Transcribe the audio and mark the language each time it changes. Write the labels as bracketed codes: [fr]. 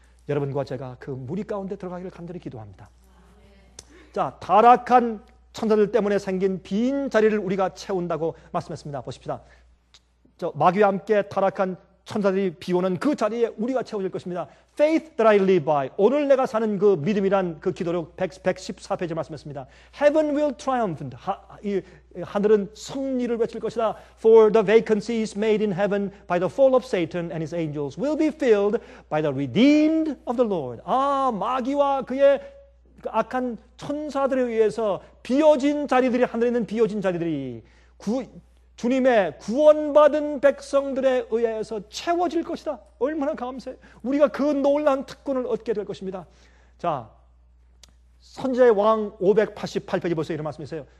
[ko] 여러분과 제가 그 무리 가운데 들어가기를 간절히 기도합니다. 자, 타락한 천사들 때문에 생긴 빈 자리를 우리가 채운다고 말씀했습니다. 보십시다. 마귀와 함께 타락한 천사들이 비오는 그 자리에 우리가 채워질 것입니다. [en] Faith that I live by. [ko] 오늘 내가 사는 그 믿음이란 그 기도록 114페이지 말씀했습니다. [en] Heaven will triumph. [ko] 하늘은 승리를 외칠 것이다. [en] For the vacancies made in heaven by the fall of Satan and his angels will be filled by the redeemed of the Lord. [ko] 아, 마귀와 그의 악한 천사들에 의해서 비어진 자리들이 하늘에 있는 비어진 자리들이 주님의 구원받은 백성들에 의해서 채워질 것이다. 얼마나 감사해. 우리가 그 놀란 특권을 얻게 될 것입니다. 자, 선제 왕 588페이지 보세요. 이런 말씀이세요.